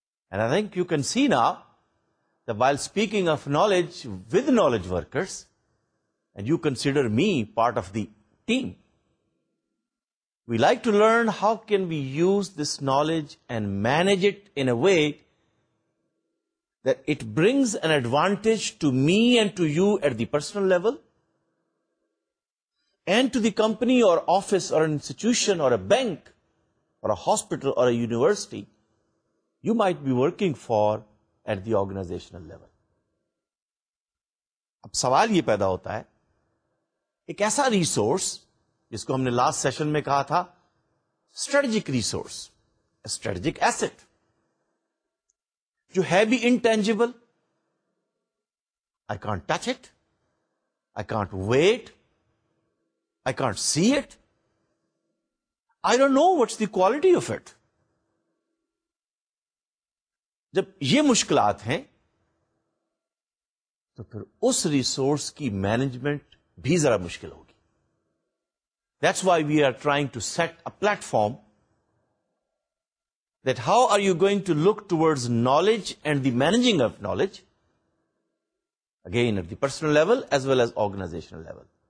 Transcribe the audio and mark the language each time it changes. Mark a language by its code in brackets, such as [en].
[en] And I think you can see now that while speaking of knowledge with knowledge workers, and you consider me part of the team, we like to learn how can we use this knowledge and manage it in a way that it brings an advantage to me and to you at the personal level, and to the company or office or an institution or a bank or a hospital or a university you might be working for at the organizational level. [ur] Ab sawal ye paida hota hai, ek aisa resource جس کو ہم نے last session میں کہا تھا strategic resource strategic asset جو ہے بھی intangible [en] I can't touch it I can't weight I can't see it I don't know what's the quality of it [ur] جب یہ مشکلات ہیں تو پھر اس ریسورس کی مینجمنٹ بھی ذرا مشکل ہوگی. [en] That's why we are trying to set a platform that how are you going to look towards knowledge and the managing of knowledge, again at the personal level as well as organizational level.